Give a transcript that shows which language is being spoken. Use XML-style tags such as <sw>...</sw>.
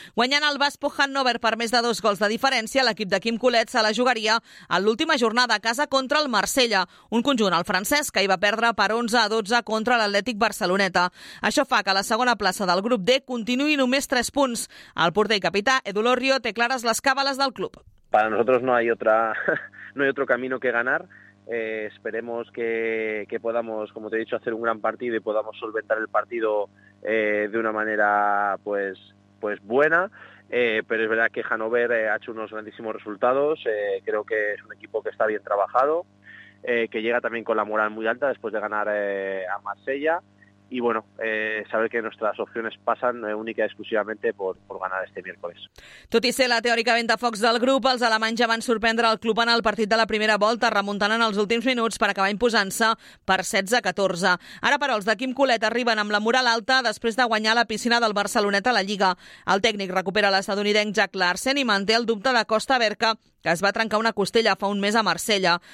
<ca>Guanyant el Vaspo Hannover per més de 2 gols de diferència, l'equip de Quim Colet se la jugaria a l'última jornada a casa contra el Marsella, un conjunt al francès que hi va perdre per 11-12 contra l'Atlètic Barceloneta. Això fa que la segona plaça del grup D continuï només 3 punts. El porter i capità, Edu Lorrio, té clares les càbales del club.</ca> <es>Para nosotros no hay otro camino que ganar. Esperemos que podamos, como te he dicho, hacer un gran partido y podamos solventar el partido de una manera pues buena, pero es verdad que Hannover ha hecho unos grandísimos resultados. Creo que es un equipo que está bien trabajado, que llega también con la moral muy alta después de ganar a Marsella. Y bueno, saber que nuestras opciones pasan única y exclusivamente por ganar este miércoles.</es> <ca>Tot i ser la teòrica ventafocs del grup, els alemanys ja van sorprendre el club en el partit de la primera volta, remuntant en els últims minuts per acabar imposant-se per 16-14. Ara, però, els de Quim Colet arriben amb la moral alta després de guanyar la piscina del Barcelonet a la Lliga. El tècnic recupera l'estadounidenc Jack Larsen i manté el dubte de Costa Berca, que es va trencar una costella fa un mes a Marsella.</ca>